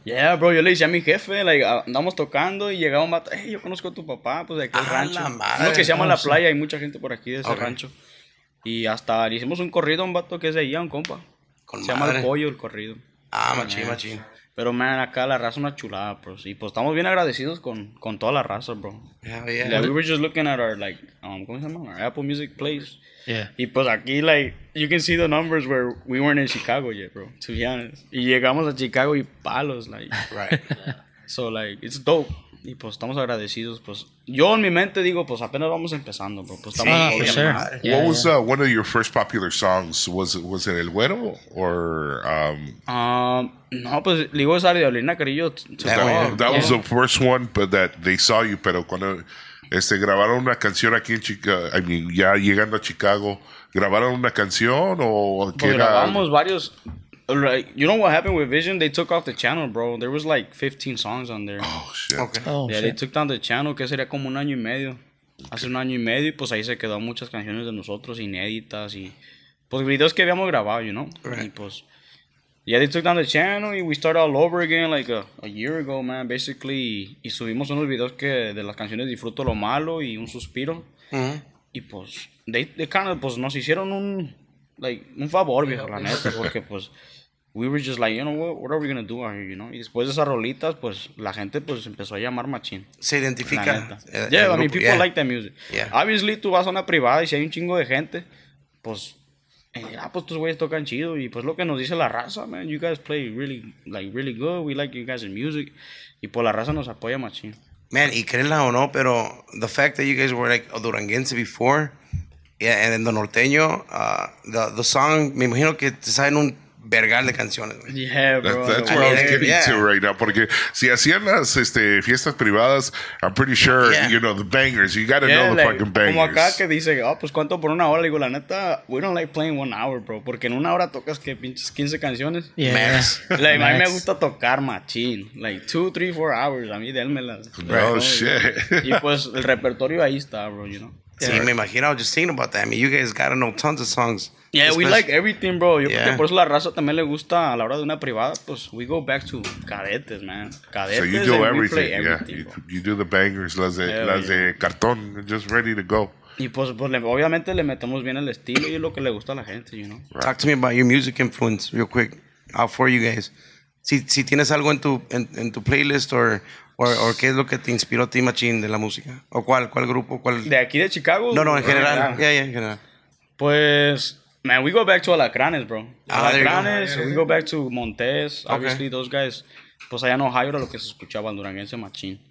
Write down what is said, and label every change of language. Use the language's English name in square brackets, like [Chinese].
[Spanish] Yeah, bro, yo le decía a mi jefe, like, andamos tocando y llegaba un vato, hey, yo conozco a tu papá, pues de aquel rancho. Lo que se llama La Playa, hay mucha gente por aquí de ese rancho. Y hasta le hicimos un corrido a un vato que es de ahí, a un compa. Con se madre. Llama El Pollo, el corrido. Ah, machín. Pero, man, acá la raza es una chulada, bro. Y, pues, estamos bien agradecidos con toda la raza, bro. [English] Yeah. Like, we were just looking at our, like, [Spanish] ¿cómo se llama? [English] Our Apple Music place. Yeah. [Spanish] Y, pues, aquí, [English] like, you can see the numbers where we weren't in Chicago yet, bro. To be honest. [Spanish] Y llegamos a Chicago y palos, like. [English] Right. So, like, it's dope. [Spanish] Y pues estamos agradecidos, pues yo en mi mente digo, pues apenas vamos empezando, bro. Pues estamos [English] sí, for sure. Yeah, what was one of your first popular songs? Was it El Güero or [Spanish] no, pues digo esa de Olina Carillo. [English] That was the first one, but that they saw you, [Spanish] pero cuando grabaron una canción aquí en Chicago, [English] I mean, [Spanish] ya llegando a Chicago, grabaron una canción o que pues, grabamos varios. [English] Like, you know what happened with Vision? They took off the channel, bro. There was like 15 songs on there. Oh, shit. Okay. Oh, [Spanish] yeah, shit. [English] They took down the channel, [Spanish] que sería como un año y medio. Hace un año y medio, y pues ahí se quedaron muchas canciones de nosotros, inéditas, y pues videos que habíamos grabado, you know? [English] Right. Y pues, yeah, they took down the channel, and we started all over again like a year ago, man, basically. [Spanish] Y subimos unos videos que de las canciones Disfruto lo Malo y Un Suspiro. Mm-hmm. Y pues, [English] they kind of, [Spanish] pues nos hicieron un... [English] Like, [Spanish] un favor, viejo, la neta, porque, pues, [English] we were just like, you know, what are we going to do out here, you know? [Spanish] Y después de esas rolitas, pues, la gente, pues, empezó a llamar machín. Se identifica. [English] Yeah, I mean, people like the music. Yeah. [Spanish] Obviously, tú vas a una privada y si hay un chingo de gente, pues, pues, tus güeyes tocan chido. Y, pues, lo que nos dice la raza, man, [English] you guys play really, like, really good. We like you guys' music. [Spanish] Y, pues, la raza nos apoya machín. [English] Man, [Spanish] y créela o no, pero [English] the fact that you guys were, like, a duranguense before... Yeah, and then the norteño, the song, [Spanish] me imagino que te saben un vergal de canciones. [English] Yeah, bro. That's where I was getting to right now. [Spanish] Porque si hacían las fiestas privadas, [English] I'm pretty sure, you know, the bangers. You got to know the fucking bangers. [Spanish] Como acá que dice, oh, pues cuánto por una hora. Le digo, la neta, [English] we don't like playing 1 hour, bro. [Spanish] Porque en una hora tocas que pinches 15 canciones. [English] Yeah. [Spanish] Like, a mí me gusta tocar machín. Like, 2, 3, 4 hours. A mí délmelas. [English] Bro, no, shit. [Spanish] Y pues el repertorio ahí está, bro, you know. [English] Yeah. [Spanish] Sí, me imagino, [English] I was just thinking about that. I mean, you guys gotta know tons of songs. Yeah, we like everything, bro. [Spanish] Yo creo que por eso la raza también le gusta a la hora de una privada. [English] Pues, we go back to cadetes, man. Cadetes, so you do everything, yeah. You do the bangers, las de, cartón, just ready to go. [Spanish] Y pues, obviamente le metemos bien el estilo y es lo que le gusta a la gente, you know. [English] Right. Talk to me about your music influence real quick. How for you guys. [Spanish] Si tienes algo en tu playlist or... ¿O qué es lo que te inspiró a ti, machín, de la música? ¿O cuál grupo? ¿Cuál? ¿De aquí de Chicago? No, en general. En general. [English] Pues, man, we go back to Alacranes, bro. Alacranes, we go back to Montes. Okay. Obviously, those guys, [Spanish] pues allá en Ohio era lo que se escuchaba en duranguense, machín.